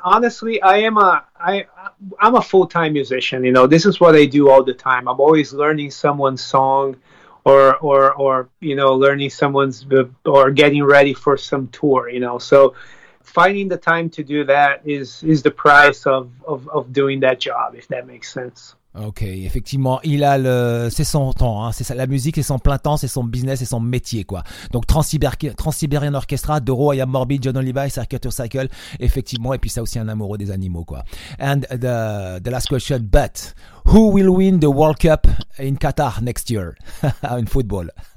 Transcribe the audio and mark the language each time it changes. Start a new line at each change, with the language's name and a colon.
English: Honestly, I'm a full-time musician. You know, this is what I do all the time. I'm always learning someone's song or you know, learning someone's or getting ready for some tour, you know. So finding the time to do that is the price of doing that job, if that makes sense.
French: Ok, effectivement, il a le, c'est son temps, hein, c'est ça, la musique, c'est son plein temps, c'est son business, c'est son métier, quoi. Donc Transsiberian Orchestra, Doro, I Am Morbid, John Oliver, Circuit to Cycle, effectivement, et puis ça aussi un amoureux des animaux, quoi.
English: And the last question, but who will win the World Cup in Qatar next year in football?